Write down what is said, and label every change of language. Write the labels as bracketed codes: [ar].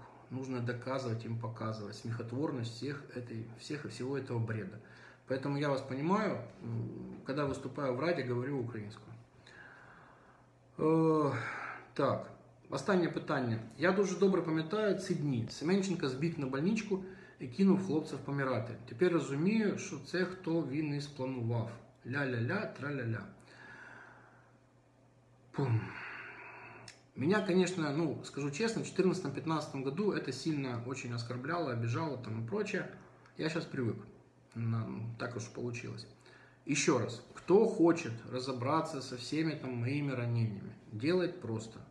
[ru] Нужно доказывать им, показывать смехотворность всех и всего этого бреда. Поэтому я вас понимаю, когда выступаю в Раде, говорю украинскую. [uk] Так, останнє питання. Я дуже добре пам'ятаю ці дні. Семенченко збіг на больничку і кинув хлопців помирати. Тепер розумію, що це хто він і спланував. Ля-ля-ля, тра-ля-ля. Пум. [ru] Меня, конечно, ну, скажу честно, в 2014-2015 году это сильно очень оскорбляло, обижало там и прочее. Я сейчас привык. Так уж получилось. Еще раз. Кто хочет разобраться со всеми там моими ранениями, делает просто.